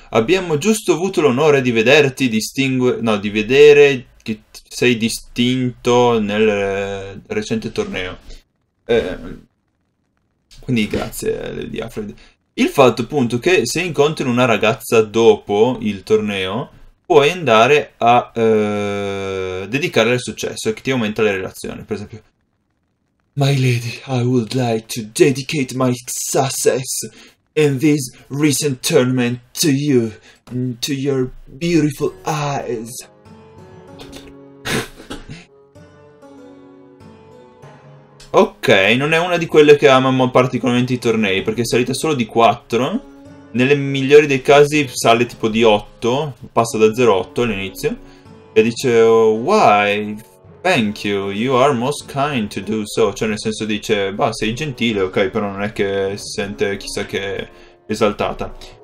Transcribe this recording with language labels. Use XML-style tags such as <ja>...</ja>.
<it>Abbiamo giusto avuto l'onore di vederti. Distingue. No, di vedere che sei distinto nel recente torneo. Quindi, grazie, Lady Alfrid. Il fatto appunto che se incontri una ragazza dopo il torneo, puoi andare a dedicarle il successo e che ti aumenta le relazioni. Per esempio,</it> <en>My lady, I would like to dedicate my success in this recent tournament to you and to your beautiful eyes.</en> <it>Ok, non è una di quelle che ama particolarmente i tornei, perché è salita solo di 4. Nelle migliori dei casi sale tipo di 8, passa da 0,8 all'inizio. E dice, why?</it> <en>Thank you, you are most kind to do so.</en> <it>Cioè nel senso dice, bah, sei gentile, ok, però non è che si sente chissà che esaltata.</it>